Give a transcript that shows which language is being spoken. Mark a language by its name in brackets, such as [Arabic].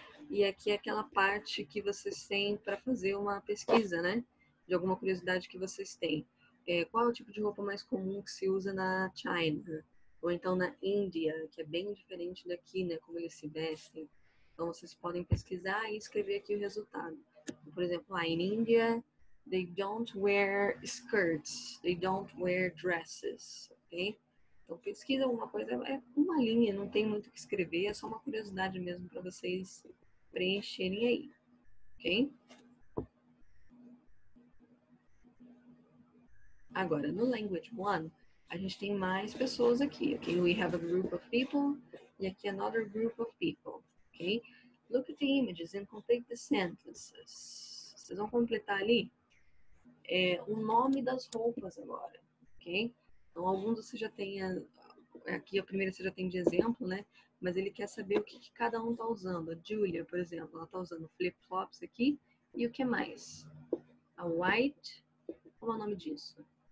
[Portuguese] E aqui é aquela parte que vocês têm para fazer uma pesquisa, né? De alguma curiosidade que vocês têm. Qual é o tipo de roupa mais comum que se usa na China? Ou então na Índia, que é bem diferente daqui, né? Como eles se vestem. Então, vocês podem pesquisar e escrever aqui o resultado. Por exemplo, lá em Índia, [English] they don't wear skirts, they don't wear dresses, ok? [Portuguese] Então, pesquisa alguma coisa, é uma linha, não tem muito o que escrever, é só uma curiosidade mesmo para vocês preencherem aí, ok? Agora, no Language One, a gente tem mais pessoas aqui, ok? [English] We have a group of people, [Portuguese] e aqui [English] another group of people, ok? Look at the images and complete the sentences. [Portuguese] Vocês vão completar ali o nome das roupas agora, ok? Então, alguns você já tem, aqui a primeira você já tem de exemplo, né? Mas ele quer saber o que, que cada um tá usando. A Julia, por exemplo, ela tá usando flip-flops aqui. E o que mais? A white, como é o nome disso?